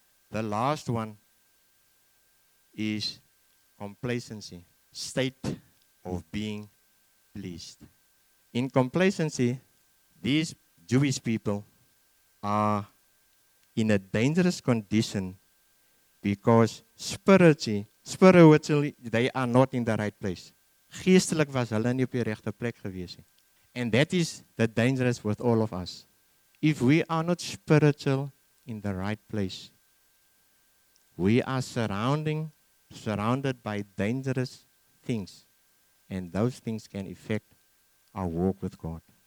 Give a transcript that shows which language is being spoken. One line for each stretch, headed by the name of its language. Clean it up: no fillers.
English: The last one is complacency, state of being pleased. In complacency, these Jewish people are in a dangerous condition because spiritually they are not in the right place.
Afrikaans: Geestelijk was hulle nie op die regte plek gewees nie.
English: And that is the dangerous with all of us. If we are not spiritual in the right place, we are surrounded by dangerous things. And those things can affect our walk with God.